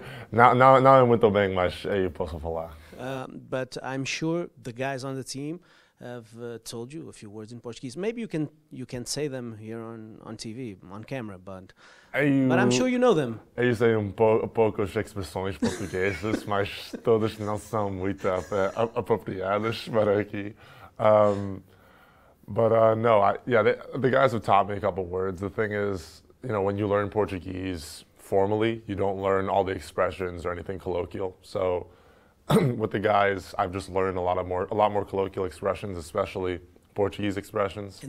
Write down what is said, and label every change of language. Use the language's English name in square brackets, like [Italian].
[Portuguese] Não é muito bem, mas eu posso falar. [English] But I'm sure the guys on the team have told you a few words in Portuguese. Maybe you can say them here on TV, on camera, but I'm sure you know them. [Portuguese] Eu sei poucas expressões portuguesas, mas todas não são muito apropriadas para aqui. [English] The guys have taught me a couple words. The thing is, you know, when you learn Portuguese formally, you don't learn all the expressions or anything colloquial. So with the guys, I've just learned a lot more colloquial expressions, especially Portuguese expressions.